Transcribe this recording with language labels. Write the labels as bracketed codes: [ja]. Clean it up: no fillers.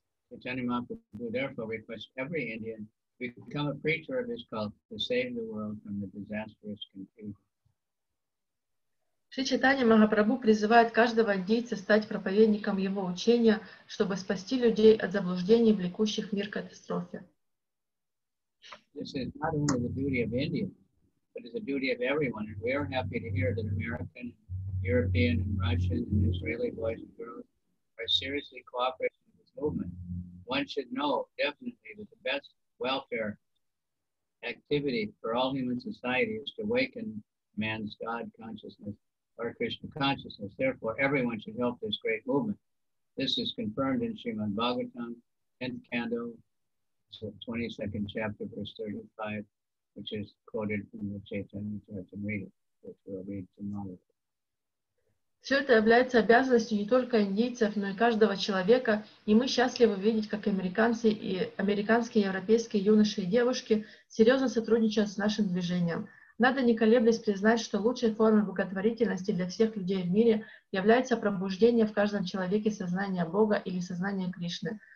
[en] Chaitanya Mahaprabhu therefore requests every Indian to become a preacher of his cult to save the world from the disastrous confusion. [ru] Шри Чайтанья Махапрабху призывает каждого индийца стать проповедником его учения, чтобы спасти людей от заблуждений, влекущих мир катастрофе. [en] This is not only the duty of Indians, but it's the duty of everyone. And we are happy to hear that American, European, and Russian, and Israeli boys and girls are seriously cooperating with this movement. One should know definitely that the best welfare activity for all human society is to awaken man's God consciousness or Krishna consciousness. Therefore, everyone should help this great movement. This is confirmed in Srimad Bhagavatam, 10th canto, 22nd chapter, verse 35, which is quoted in the Caitanya-caritāmṛta, which we'll read tomorrow. [ru] Все это является обязанностью не только индийцев, но и каждого человека, и мы счастливы видеть, как американцы и американские европейские юноши и девушки серьезно сотрудничают с нашим движением. Надо не колеблясь признать, что лучшей формой благотворительности для всех людей в мире является пробуждение в каждом человеке сознания Бога или сознания Кришны.